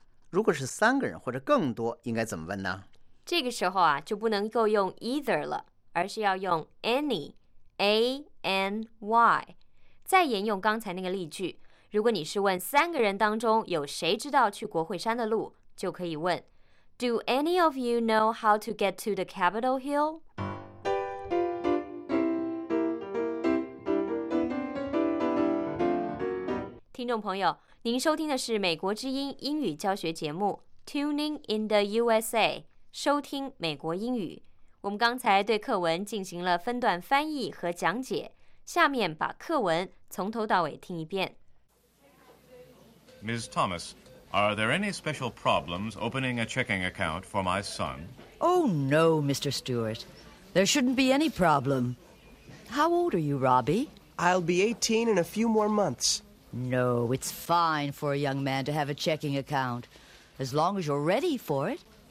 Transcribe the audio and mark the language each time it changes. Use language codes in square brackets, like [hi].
[zh] 如果是三个人或者更多应该怎么问呢？这个时候啊，就不能够用 either 了，而是要用 any, A-N-Y。再沿用刚才那个例句，如果你是问三个人当中有谁知道去国会山的路，就可以问 [en] Do any of you know how to get to the Capitol Hill? [zh] 您收听的是美国之音英语教学节目 Tuning in the USA， 收听美国英语。我们刚才对课文进行了分段翻译和讲解，下面把课文从头到尾听一遍。 [en] Ms. Thomas, are there any special problems opening a checking account for my son? Oh no, Mr. Stewart. There shouldn't be any problem. How old are you, Robbie? I'll be 18 in a few more months. No, it's fine for a young man to have a checking account, as long as you're ready for it.